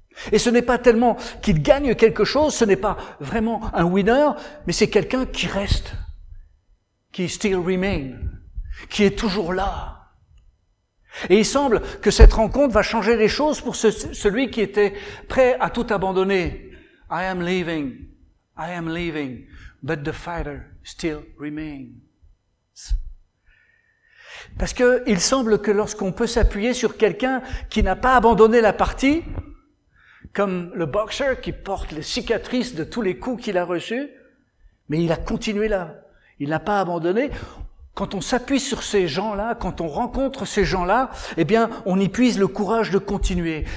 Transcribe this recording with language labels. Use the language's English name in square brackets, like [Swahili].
[French] Et ce n'est pas tellement qu'il gagne quelque chose, ce n'est pas vraiment un winner, mais c'est quelqu'un qui reste, qui [English] still remain, [French] qui est toujours là. Et il semble que cette rencontre va changer les choses pour celui qui était prêt à tout abandonner. [English] I am leaving, but the fighter still remains. [French] Parce que il semble que lorsqu'on peut s'appuyer sur quelqu'un qui n'a pas abandonné la partie, comme le boxer qui porte les cicatrices de tous les coups qu'il a reçus, mais il a continué là, il n'a pas abandonné, quand on s'appuie sur ces gens-là, quand on rencontre ces gens-là, eh bien, on y puise le courage de continuer.